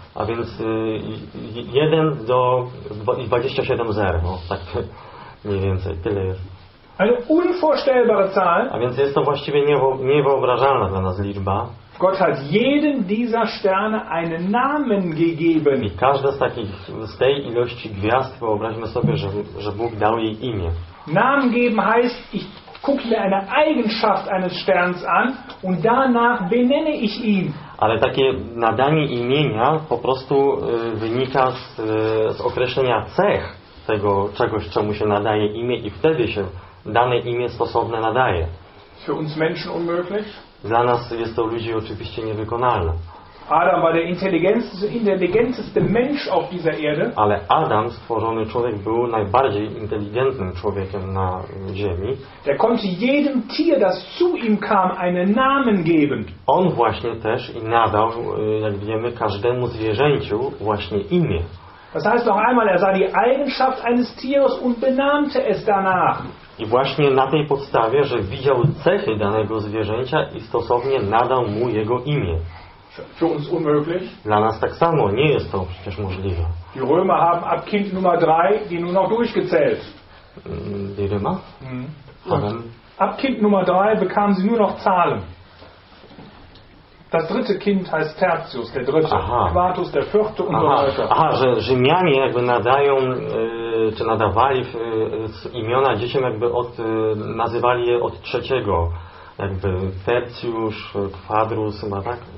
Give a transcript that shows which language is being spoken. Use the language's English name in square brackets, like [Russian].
[Polish] A więc 1 do 27 zer, no tak mniej więcej tyle jest. [German] Eine unvorstellbare Zahl. [Polish] A więc jest to właściwie niewyobrażalna dla nas liczba. [German] Gott hat jedem dieser Sterne einen Namen gegeben. [Polish] I każda z takich, z tej ilości gwiazd, wyobraźmy sobie, że Bóg dał jej imię. [German] Namen geben heißt, ich gucke mir eine Eigenschaft eines Sterns an und danach benenne ich ihn. [Polish] Ale takie nadanie imienia po prostu wynika z określenia cech tego czegoś, czemu się nadaje imię i wtedy się dane imię stosowne nadaje. [German] Für uns Menschen unmöglich. [Polish] Dla nas jest to ludzi oczywiście niewykonalne. [German] Adam war der intelligenteste Mensch auf dieser Erde. [Polish] Ale Adam, stworzony człowiek, był najbardziej inteligentnym człowiekiem na ziemi. [German] Der konnte jedem Tier, das zu ihm kam, einen Namen geben. [Polish] On właśnie też i nadał, jak wiemy, każdemu zwierzęciu właśnie imię. [German] Das heißt noch einmal, er sah die Eigenschaft eines Tieres und benannte es danach. [Polish] I właśnie na tej podstawie, że widział cechy danego zwierzęcia i stosownie nadał mu jego imię. [German] Für uns unmöglich. [Polish] Dla nas tak samo, nie jest to przecież możliwe. [German] Die Römer haben ab Kind Nummer 3 die nur noch durchgezählt. Die Römer? Ab Kind Nummer 3 bekamen sie nur noch Zahlen. Das dritte Kind heißt Tertius, der dritte. Aha. Quartus, der vierte und aha. so weiter. [Polish] Aha, że Rzymianie jakby nadają, czy nadawali z imiona dzieciom, jakby od, nazywali je od trzeciego. Jakby Tertius, Quadrus, chyba tak?